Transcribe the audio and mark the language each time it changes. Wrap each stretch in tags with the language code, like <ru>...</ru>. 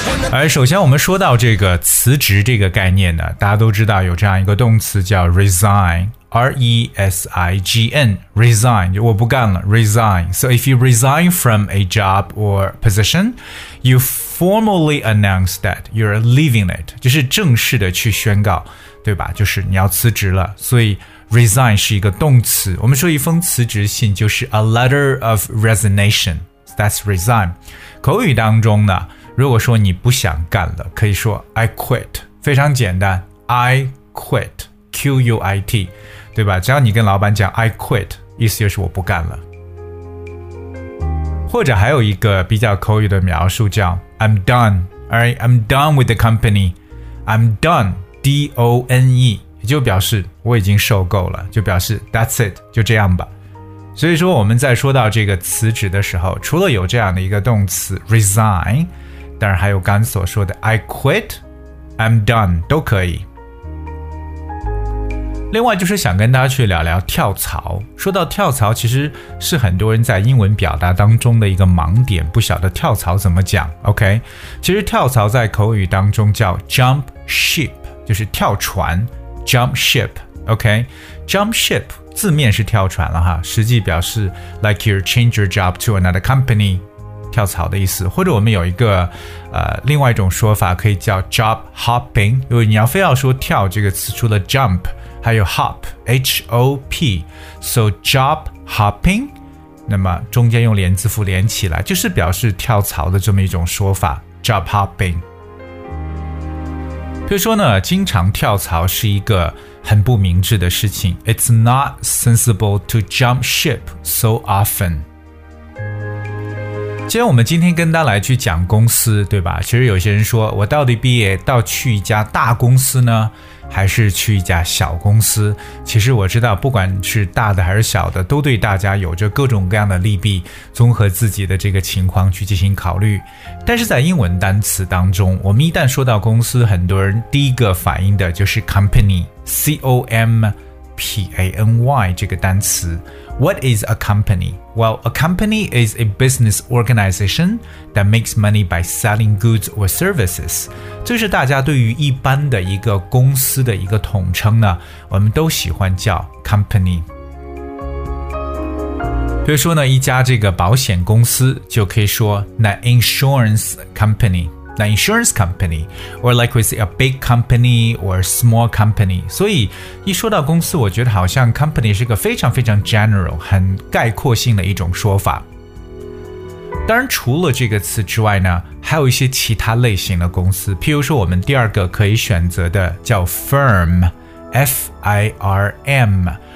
<zh>而首先我们说到这个辞职这个概念呢，大家都知道有这样一个动词叫 resign, R-E-S-I-G-N, resign, 就我不干了 resign.</zh> <en>So if you resign from a job or position, you formally announce that you're leaving it,</en> <zh>就是正式的去宣告，对吧，就是你要辞职了。所以 resign 是一个动词，我们说一封辞职信就是</zh> <en>a letter of resignation,</en> <zh>that's resign. 口语当中呢，如果说你不想干了，可以说</zh> <en>I quit,</en> <zh>非常简单 I quit, Q-U-I-T, 对吧，只要你跟老板讲 I quit, 意思就是我不干了。或者还有一个比较口语的描述叫</zh> <en>I'm done, right? I'm done with the company, I'm done,</en> <zh>D-O-N-E, 也就表示我已经受够了，就表示</zh> <en>That's it,</en> <zh>就这样吧。所以说我们在说到这个辞职的时候，除了有这样的一个动词 resign,当然还有刚所说的</zh> <en>I quit, I'm done,</en> <zh>都可以。另外就是想跟大家去聊聊跳槽。说到跳槽，其实是很多人在英文表达当中的一个盲点，不晓得跳槽怎么讲。 OK, 其实跳槽在口语当中叫 jump ship, 就是跳船 jump ship, OK, jump ship 字面是跳船了哈，实际表示</zh> <en>like you change your job to another company,</en> <zh>跳槽的意思。或者我们有一个另外一种说法可以叫 job hopping, 因为你要非要说跳这个词，除了 jump 还有 hop, H-O-P, so job hopping, 那么中间用连字符连起来就是表示跳槽的这么一种说法 job hopping。比如说呢，经常跳槽是一个很不明智的事情，</zh> <en>It's not sensible to jump ship so often。</en> <zh>既然我们今天跟大家来去讲公司，对吧，其实有些人说我到底毕业到去一家大公司呢，还是去一家小公司。其实我知道不管是大的还是小的，都对大家有着各种各样的利弊，综合自己的这个情况去进行考虑。但是在英文单词当中，我们一旦说到公司，很多人第一个反应的就是 company, C-O-M-P-A-N-Y 这个单词。</zh> <en>What is a company? Well, a company is a business organization that makes money by selling goods or services.</en> <zh>这是大家对于一般的一个公司的一个统称呢，我们都喜欢叫 company。比如说呢，一家这个保险公司就可以说</zh> <en>an insurance company. The insurance company, or like we say a big company or a small company.</en> <zh>所以一说到公司，我觉得好像 company 是个非常非常 general, 很概括性的一种说法。当然除了这个词之外呢，还有一些其他类型的公司，譬如说我们第二个可以选择的叫 firm, F-I-R-M。</zh>